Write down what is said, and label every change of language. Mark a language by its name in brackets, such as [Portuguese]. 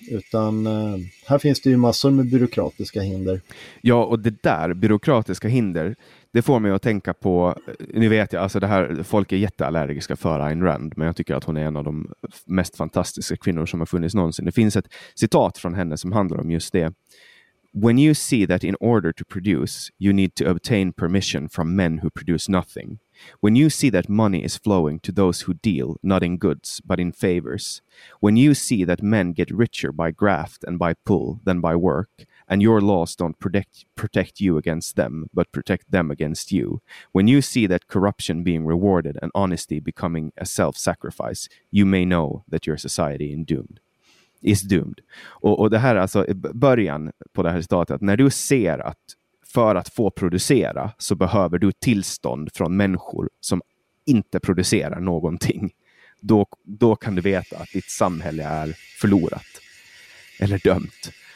[Swedish] Utan här finns det ju massor med byråkratiska hinder. Ja, och det där, byråkratiska hinder, det får mig att tänka på, nu vet jag, alltså det här, folk är jätteallergiska för Ayn Rand, men jag tycker att hon är en av de mest fantastiska kvinnor som har funnits någonsin. Det finns ett citat från henne som handlar om just det. [English] When you see that in order to produce, you need to obtain permission from men who produce nothing. When you see that money is flowing to those who deal, not in goods, but in favors. When you see that men get richer by graft and by pull than by work. And your laws don't protect you against them, but protect them against you. When you see that corruption being rewarded and honesty becoming a self-sacrifice, you may know that your society is doomed. [Swedish] Och det här är alltså början på det här citatet, att när du ser att för att få producera så behöver du tillstånd från människor som inte producerar någonting, då kan du veta att ditt samhälle är förlorat eller dömt.